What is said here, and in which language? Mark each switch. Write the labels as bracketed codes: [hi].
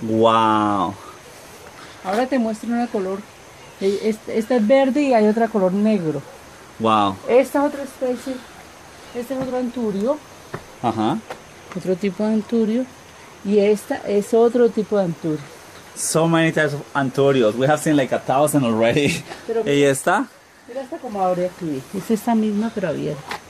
[en] Wow. [es] Ahora te muestro una color. Esta es verde y hay otra color negro. [en] Wow. [es] Esta es otra especie. Este es otro anturio. Ajá. Otro tipo de anturio. Y esta es otro tipo de anturio. [en] So many types of anturios. We have seen like 1,000 already. [es] Pero ¿y esta? Mira esta como abre aquí. Es esta misma pero abierta.